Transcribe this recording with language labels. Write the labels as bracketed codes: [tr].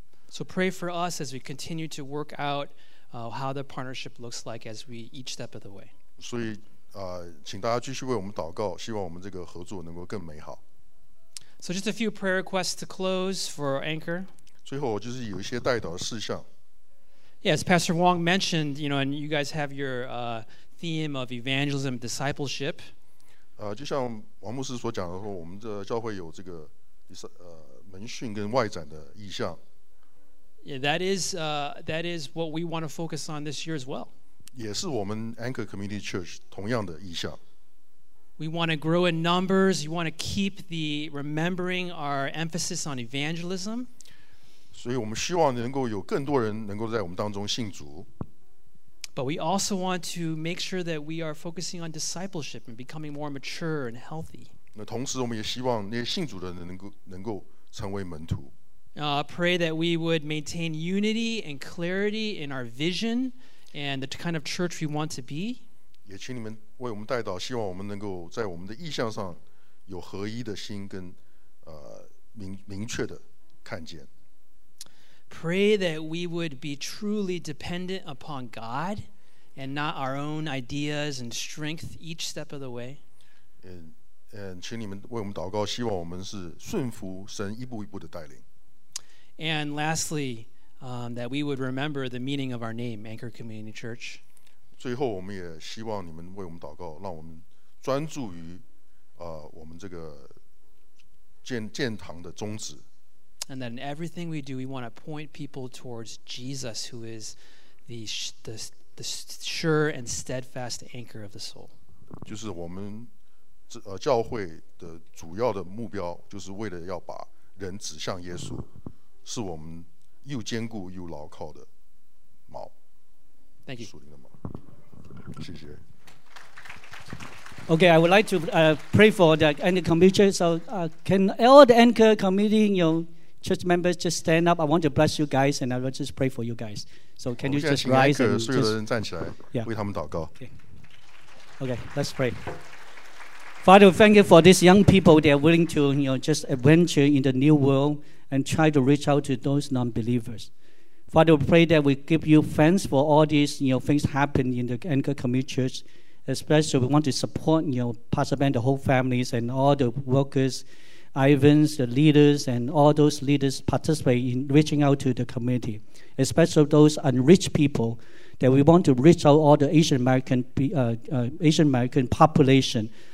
[en] So pray for us as we continue to work out how the partnership looks like as we each step of the way. [zh] 所以请大家继续为我们祷告，希望我们这个合作能够更美好。 [en] So just a few prayer requests to close for Anchor. [zh] 最后就是有一些代祷事项。 [en] Yeah, as Pastor Wong mentioned, you know, and you guys have your theme of evangelism, discipleship. [zh] 就像王牧师所讲的说，我们的教会有这个门训跟外展的意向。 [en] Yeah, that is what we want to focus on this year as well. [zh] 也是我们 Anchor Community Church 同样的意向。 [en] We want to grow in numbers. We want to keep the remembering our emphasis on evangelism. [zh] 所以我们希望能够有更多人能够在我们当中信主。 [en] But we also want to make sure that we are focusing on discipleship and becoming more mature and healthy. [zh] 同时我们也希望那些信主的人能够成为门徒。 [en] Pray that we would maintain unity and clarity in our vision and the kind of church we want to be. [zh] 也请你们为我们代祷，希望我们能够在我们的意向上有合一的心跟明确的看见。 [en] Pray that we would be truly dependent upon God and not our own ideas and strength each step of the way. [zh] And 请你们为我们祷告，希望我们是顺服神一步一步的带领。 [en] And lastly, that we would remember the meaning of our name, Anchor Community Church. [zh] 最后我们也希望你们为我们祷告，让我们专注于我们这个建堂的宗旨。 [en] And that in everything we do, we want to point people towards Jesus, who is the sure and steadfast anchor of the soul. [zh] 就是我们教会的主要的目标，就是为了要把人指向耶稣，是我们又坚固又牢靠的锚。 [en] Thank you. [zh] 属灵的锚。谢谢。 [en] Okay, I would like to pray for the anchor committee. So, can all the anchor committee, you know,Church members, just stand up. I want to bless you guys, and I will just pray for you guys. So can you just rise and just... [zh] 所有的人站起来，为他们祷告。 [en] Okay, let's pray. Father, thank you for these young people. They are willing to, you know, just adventure in the new world and try to reach out to those non-believers. Father, we pray that we give you thanks for all these, you know, things happening in the Anchor Community Church. Especially, we want to support, you know, Pastor Ben, the whole families and all the workers,Ivans, the leaders, and all those leaders participate in reaching out to the community, especially those unreached people, that we want to reach out all the Asian American population.